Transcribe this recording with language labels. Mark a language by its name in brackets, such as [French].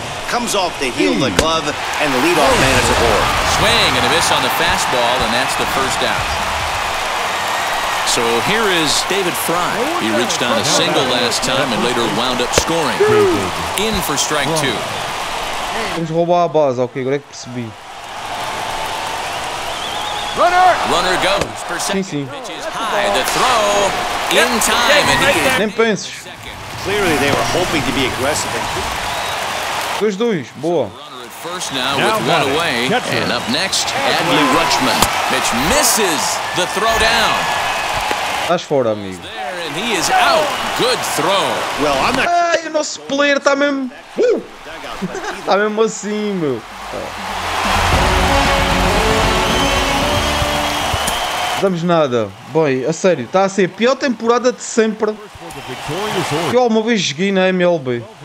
[English] Comes off the heel of the glove and the leadoff man is aboard. Swing and a miss on the fastball, and that's the first down. So here is David Fry. He reached on a single last time and later wound up scoring. In for strike two. [Portuguese] Vamos roubar a base, ok, agora é que percebi. [English] Runner! Runner goes for second. [Portuguese] Sim, sim. [English] The throw in time. [Portuguese] Nem penses. [English] Clearly they were hoping to be aggressive. [Portuguese] 2-2, boa. [English] First now with one away. And up next, Adley Rutschman. Mitch misses the throw down. [Portuguese] Estás fora, amigo. [English] And he is out. Good throw. Well, I'm not. [Portuguese] Ai, o nosso player está mesmo. Tá mesmo assim, meu. Não damos nada. Bem, a sério, está a ser a pior temporada de sempre que eu alguma vez joguei na MLB.